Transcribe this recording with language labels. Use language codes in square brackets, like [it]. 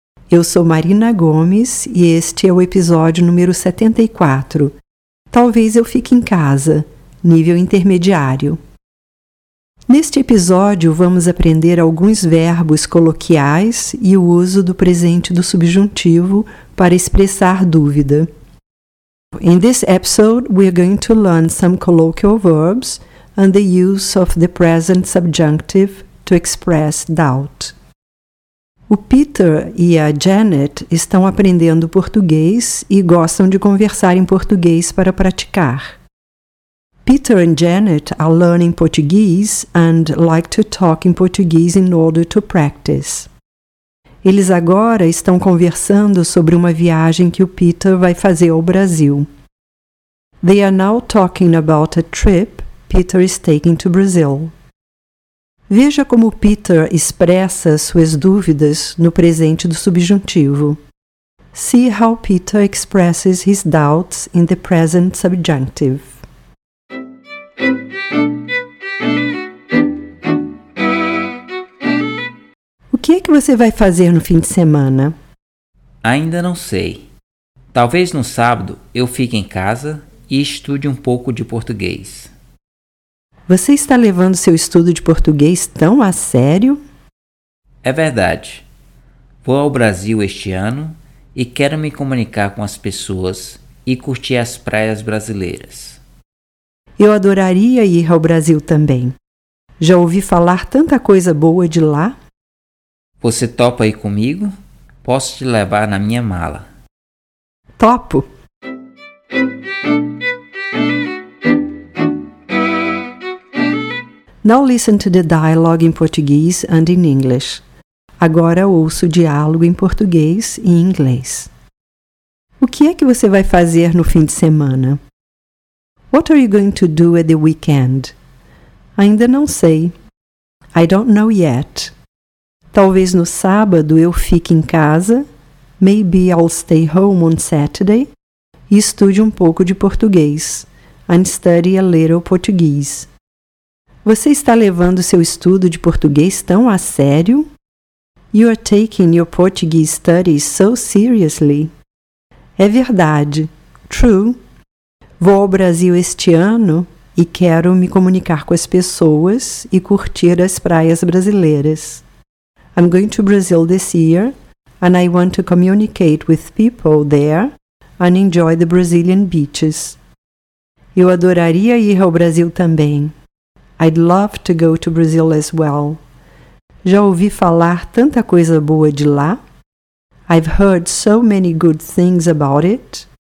[pt] Eu sou Marina Gomes e este é o episódio número 74. Talvez eu fique em casa. Nível intermediário. Neste episódio, vamos aprender alguns verbos coloquiais e o uso do presente do subjuntivo para expressar dúvida. [en] In this episode, we are going to learn some colloquial verbs and the use of the present subjunctive to express doubt. [pt] O Peter e a Janet estão aprendendo português e gostam de conversar em português para praticar. [en] Peter and Janet are learning Portuguese and like to talk in Portuguese in order to practice. [pt] Eles agora estão conversando sobre uma viagem que o Peter vai fazer ao Brasil. [en] They are now talking about a trip Peter is taking to Brazil. [pt] Veja como Peter expressa suas dúvidas no presente do subjuntivo. [en] See how Peter expresses his doubts in the present subjunctive. [pt] O que você vai fazer no fim de semana? Ainda não sei. Talvez no sábado eu fique em casa e estude um pouco de português. Você está levando seu estudo de português tão a sério? É verdade. Vou ao Brasil este ano e quero me comunicar com as pessoas e curtir as praias brasileiras. Eu adoraria ir ao Brasil também. Já ouvi falar tanta coisa boa de lá. Você topa ir comigo? Posso te levar na minha mala. Topo! [en] Now listen to the dialogue in Portuguese and in English. [pt] Agora ouço o diálogo em português e inglês. O que é que você vai fazer no fim de semana? [en] What are you going to do at the weekend? [pt] Ainda não sei. [en] I don't know yet. [pt] Talvez no sábado eu fique em casa, [en] maybe I'll stay home on Saturday, [pt] e estude um pouco de português, [en] and study a little português. [pt] Você está levando seu estudo de português tão a sério? [en] You are taking your Portuguese studies so seriously. [pt] É verdade. [en] True. [pt] Vou ao Brasil este ano e quero me comunicar com as pessoas e curtir as praias brasileiras. [en] I'm going to Brazil this year, and I want to communicate with people there and enjoy the Brazilian beaches. [pt] Eu adoraria ir ao Brasil também. [en] I'd love to go to Brazil as well. [pt] Já ouvi falar tanta coisa boa de lá. [en] I've heard so many good things about it.